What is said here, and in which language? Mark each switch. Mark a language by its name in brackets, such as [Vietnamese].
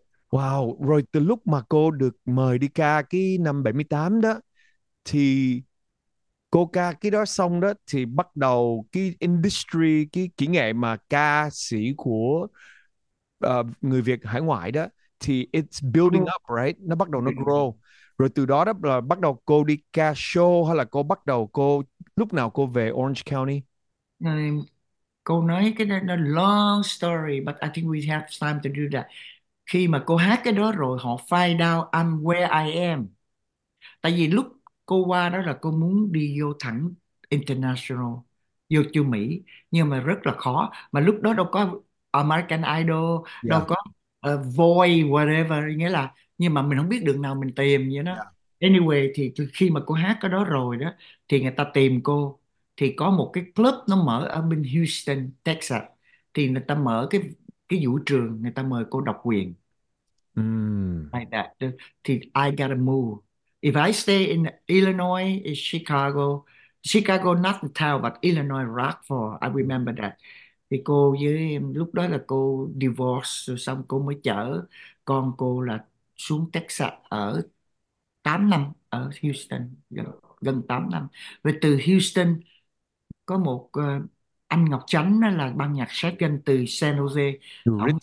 [Vietnamese] Wow, rồi từ lúc mà cô được mời đi ca cái năm 78 đó, thì cô ca cái đó xong đó thì bắt đầu cái industry, cái kỹ nghệ mà ca sĩ của người Việt hải ngoại đó, thì [English] it's building up, right? [Vietnamese] Nó bắt đầu nó grow. Rồi từ đó, đó là bắt đầu cô đi ca show, hay là cô bắt đầu cô lúc nào cô về Orange County? Cô nói cái đó, [English] long story but I think we have time to do that. [Vietnamese] Khi mà cô hát cái đó rồi họ [English] find out I'm where I am. [Vietnamese] Tại vì lúc cô qua đó là cô muốn đi vô thẳng international, vô chưa Mỹ, nhưng mà rất là khó. Mà lúc đó đâu có American Idol, đâu có Voice whatever, nghĩa là nhưng mà mình không biết đường nào mình tìm vậy đó. Anyway thì khi mà cô hát cái đó rồi đó thì người ta tìm cô, thì có một cái club nó mở ở bên Houston, Texas, thì người ta mở cái vũ trường, người ta mời cô độc quyền. [English] Like that. Thì I gotta move. If I stay in Illinois, it's Chicago. Chicago not the town, but Illinois Rockford. I remember that. [Vietnamese] Thì cô với em, lúc đó là cô divorce, rồi xong cô mới chở con cô là xuống Texas ở 8 năm ở Houston, gần 8 năm. Và từ Houston có một anh Ngọc Chánh đó là ban nhạc shotgun từ San Jose, ông